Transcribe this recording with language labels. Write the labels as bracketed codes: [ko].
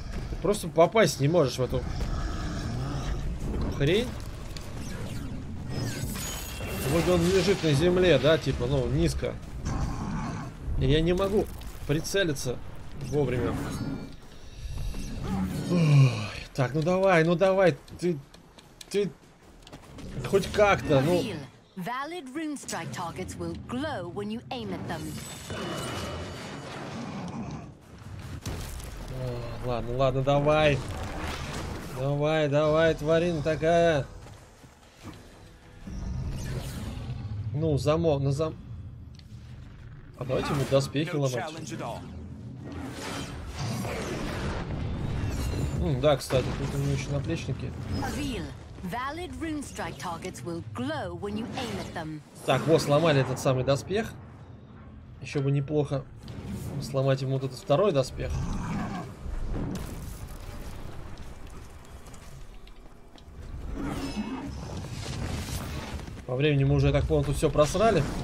[ru] Ты просто попасть не можешь в эту хрень. Вот он лежит на земле, да, типа, ну, низко. И я не могу прицелиться вовремя. Так, ну давай, ну давай, ты хоть как-то, ну. [en] Valid rune strike targets will glow when you aim at them. [ru] Ладно, ладно, давай. Давай, давай, тварина такая. Ну, замок, ну зам. А давайте ему доспехи ломать. Да, кстати, тут у него еще наплечники. [en] Valid rune strike targets will glow when you aim at them. [ru] Так, вот сломали этот самый доспех. Еще бы неплохо сломать ему вот этот второй доспех. По времени мы уже, я так понял, тут все просрали.